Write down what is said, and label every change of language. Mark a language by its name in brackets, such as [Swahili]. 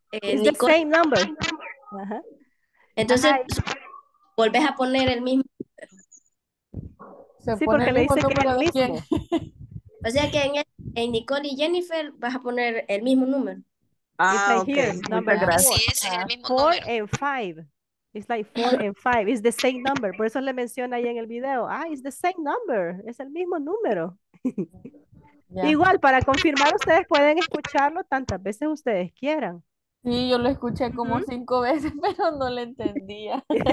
[English] Nico. The same number. [Spanish] Entonces, volvés a poner el mismo. Sí, porque le dice que era el mismo. O sea que en Nicole y Jennifer vas a poner el mismo número. [English] Ah, it's like okay. Here, number four, [Spanish] sí, es el mismo [English] four and five. It's like four and five. It's the same number. [Spanish] Por eso le menciona ahí en el video. Ah, it's the same number. Es el mismo número. Yeah. Igual, para confirmar, ustedes pueden escucharlo tantas veces ustedes quieran. Sí, yo lo escuché como cinco veces, pero no lo entendía.